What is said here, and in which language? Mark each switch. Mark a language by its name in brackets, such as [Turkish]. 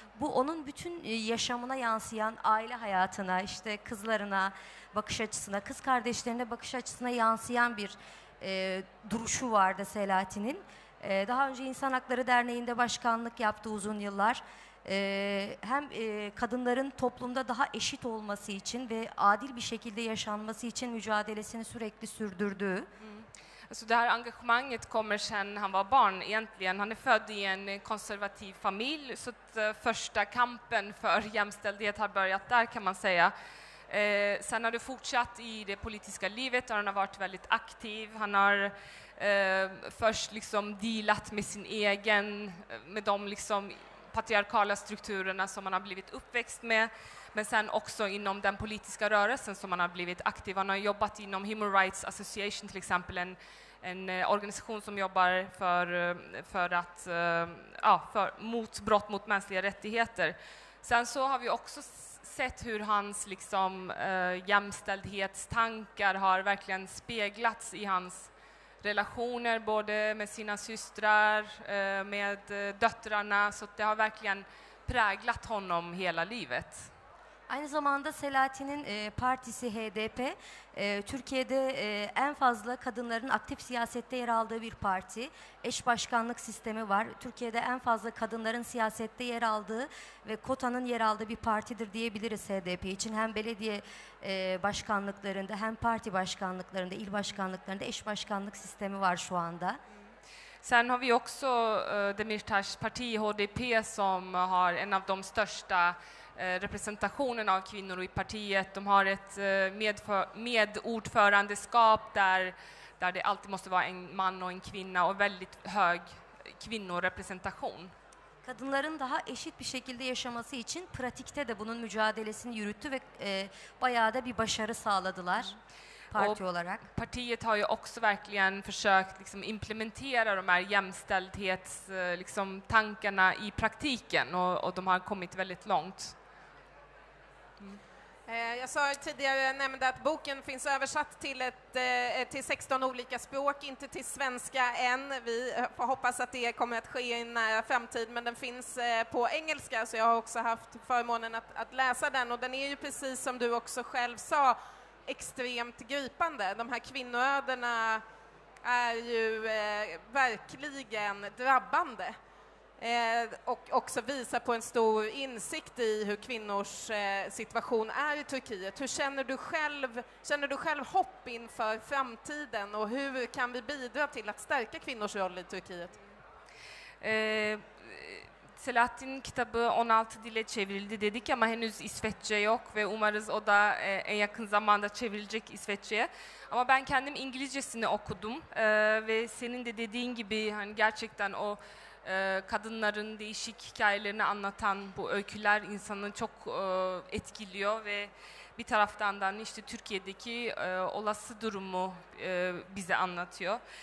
[Turkish] Bu onun bütün yaşamına yansıyan, aile hayatına, kızlarına bakış açısına, kız kardeşlerine bakış açısına yansıyan bir duruşu vardı Selahattin'in. Daha önce İnsan Hakları Derneği'nde başkanlık yaptı uzun yıllar. Hem kadınların toplumda daha eşit olması için ve adil bir şekilde yaşanması için mücadelesini sürekli sürdürdü. [Swedish] Alltså det här engagemanget kommer sedan han var barn egentligen. Han är född i en konservativ familj, så att första kampen för jämställdhet har börjat där, kan man säga. Sen har du fortsatt i det politiska livet och han har varit väldigt aktiv. Han har först liksom dealat med sin egen, med de liksom patriarkala strukturerna som han har blivit uppväxt med. Men sen också inom den politiska rörelsen som han har blivit aktiv. Han har jobbat inom Human Rights Association till exempel, en organisation som jobbar för mot brott mot mänskliga rättigheter. Sen så har vi också sett hur hans liksom jämställdhetstankar har verkligen speglats i hans relationer, både med sina systrar, med döttrarna, så det har verkligen präglat honom hela livet. [Turkish] aynı zamanda Selahattin'in partisi HDP, Türkiye'de en fazla kadınların aktif siyasette yer aldığı bir parti. Eş başkanlık sistemi var. Türkiye'de en fazla kadınların siyasette yer aldığı ve kotanın yer aldığı bir partidir diyebiliriz HDP için. Hem belediye başkanlıklarında, hem parti başkanlıklarında, il başkanlıklarında eş başkanlık sistemi var şu anda. [Swedish] Sen har vi också Demirtas parti HDP som har en av de största representationen av kvinnor i partiet. De har ett medordförandeskap där det alltid måste vara en man och en kvinna och väldigt hög kvinnorepresentation. [Turkish] Kadınların daha eşit bir şekilde yaşaması için pratikte de bunun mücadelesini yürüttü ve bayağı da bir başarı sağladılar. [Swedish] Partiet har ju också verkligen försökt liksom implementera de här jämställdhetstankarna i praktiken och de har kommit väldigt långt. Jag sa tidigare, jag nämnde att boken finns översatt till 16 olika språk, inte till svenska än. Vi får hoppas att det kommer att ske i en nära framtid, men den finns på engelska, så jag har också haft förmånen att läsa den, och den är ju precis som du också själv sa extremt gripande. De här kvinnoöderna är ju verkligen drabbande och också visar på en stor insikt i hur kvinnors situation är i Turkiet. Hur känner du själv hopp inför framtiden, och hur kan vi bidra till att stärka kvinnors roll i Turkiet? [Turkish] Selahattin kitabı 16 dile çevrildi dedik ama henüz İsveççe yok ve umarız o da en yakın zamanda çevrilecek İsveççe'ye. Ama ben kendim İngilizcesini okudum ve senin de dediğin gibi hani gerçekten o kadınların değişik hikayelerini anlatan bu öyküler insanı çok etkiliyor ve bir taraftan da işte Türkiye'deki olası durumu bize anlatıyor.